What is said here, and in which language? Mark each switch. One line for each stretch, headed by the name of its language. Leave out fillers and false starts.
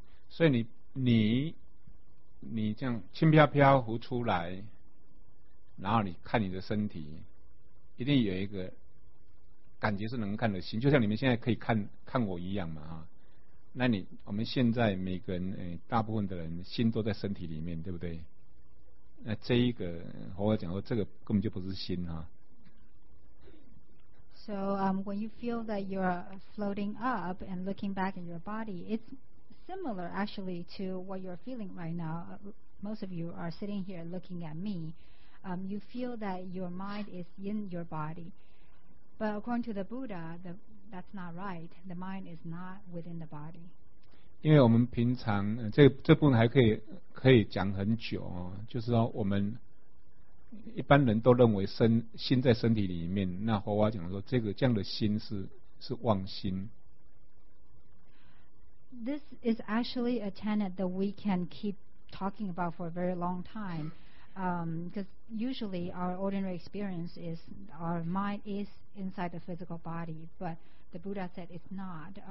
Chinese: 所以你这样轻飘飘浮出来，然后你看你的身体，一定有一个感觉是能看的心，就像你们现在可以看我一样嘛，啊，那你我们现在每个人，大部分的人心都在身体里面，对不对？那这一个我讲说这个根本就不是心啊。
English: So when you feel that you're floating up and looking back in your body, it's similar actually to what you're feeling right now. Most of you are sitting here looking at me. You feel that your mind is in your body. But according to the Buddha, that's not right. The mind is not within the body.
Chinese: 因为我们平常，这部分还可以讲很久，哦，就是说我们一般人都认为心在身体里面，那佛法讲说这样的心是妄心。
English: This is actually a tenet that we can keep talking about for a very long time. Because usually our ordinary experience is our mind is inside the physical body, but the Buddha said it's not.